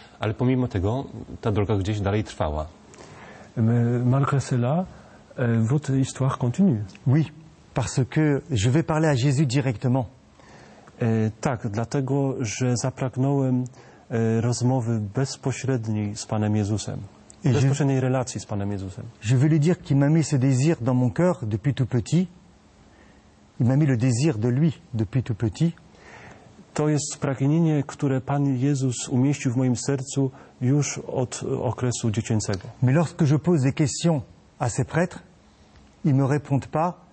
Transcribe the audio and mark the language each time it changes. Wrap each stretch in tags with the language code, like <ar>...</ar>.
<pl>Ale pomimo tego ta droga gdzieś dalej trwała.</pl> <fr>Malgré cela, votre histoire continue. Oui, parce que je vais parler à Jésus directement.</fr> <pl>Tak, dlatego, że zapragnąłem rozmowy bezpośredniej z Panem Jezusem. Bezpośredniej relacji z Panem Jezusem.</pl> <fr>Je veux lui dire qu'il m'a mis ce désir dans mon cœur depuis tout petit. Il m'a mis le désir de lui depuis tout petit.</fr> <pl>To jest pragnienie, które Pan Jezus umieścił w moim sercu już od okresu dziecięcego.</pl> <fr>Mais lorsque je pose des questions à ces prêtres, ils me répondent pas</fr>